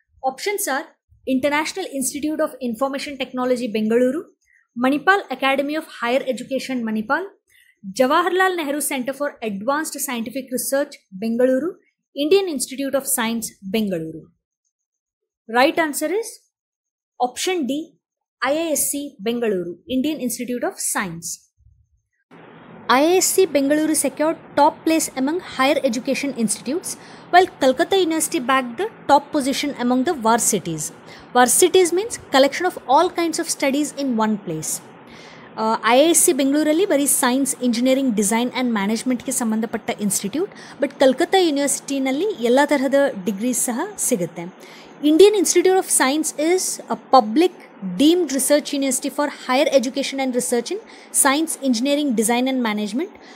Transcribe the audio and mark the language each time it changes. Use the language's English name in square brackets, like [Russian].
[English] Options are international institute of information technology Bengaluru, Manipal academy of higher education Manipal, Jawaharlal Nehru centre for advanced scientific research Bengaluru, Indian institute of science Bengaluru. Right answer is option D, IISc Bengaluru, Indian Institute of Science. IISc Bengaluru secured top place among higher education institutes, while Calcutta University bagged the top position among the varsities. Varsities means collection of all kinds of studies in one place. [Kannada] IISc Bengaluru ಅಲ್ಲಿ ಬರೀ science engineering design and ಮ್ಯಾನೇಜ್ಮೆಂಟ್ಗೆ ಸಂಬಂಧಪಟ್ಟ institute, [English] but [Kannada] Calcutta ಯೂನಿವರ್ಸಿಟಿನಲ್ಲಿ ಎಲ್ಲ ತರಹದ degrees ಸಹ ಸಿಗುತ್ತೆ. [English] Indian institute of science is a public deemed research university for higher education and research in science engineering design and management.